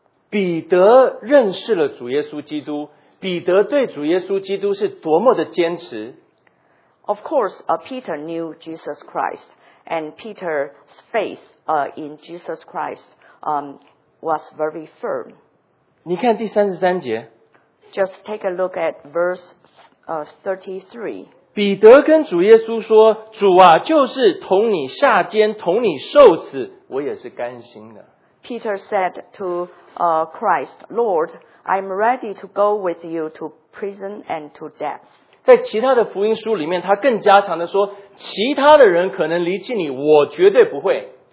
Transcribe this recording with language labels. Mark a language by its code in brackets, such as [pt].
[zh] 彼得认识了主耶稣基督，彼得对主耶稣基督是多么的坚持。 [en] Of course, Peter knew Jesus Christ, and Peter's faith in Jesus Christ was very firm. [zh] 你看第三十三节。 [en] Just take a look at verse 33. [zh] 彼得跟主耶稣说，主啊，就是同你下监，同你受死，我也是甘心的。 [en] Peter said to Christ, Lord, I'm ready to go with you to prison and to death. [zh] 在其他的福音书里面，他更加强的说，其他的人可能离弃你，我绝对不会。